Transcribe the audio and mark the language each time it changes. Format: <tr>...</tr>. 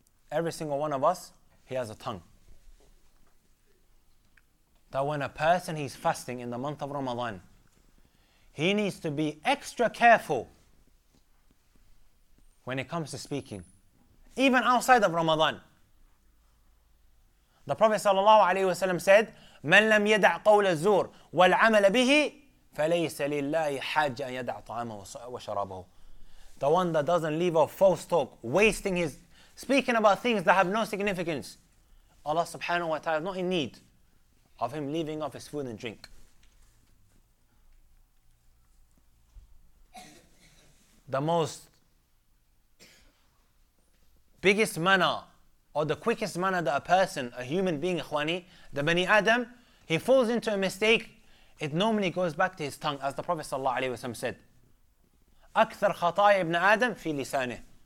<en>Every single one of us, he has a tongue. That when a person is fasting in the month of Ramadan, he needs to be extra careful when it comes to speaking, even outside of Ramadan. The Prophet sallallahu alaihi wasallam said,</en> <ar>"من لم يدع قول الزور والعمل به فليس لله حاجة يدع طعامه وشرابه."</ar> <en>The one that doesn't leave a false talk, wasting his speaking about things that have no significance, Allah subhanahu wa ta'ala is not in need of him leaving off his food and drink. The most biggest manner, or the quickest manner that a person, a human being, ikhwani, the Bani Adam, he falls into a mistake, it normally goes back to his tongue, as the Prophet sallallahu alaihi wasallam said,</en> <ar>أكثر خطايا ابن آدم في لسانه.</ar>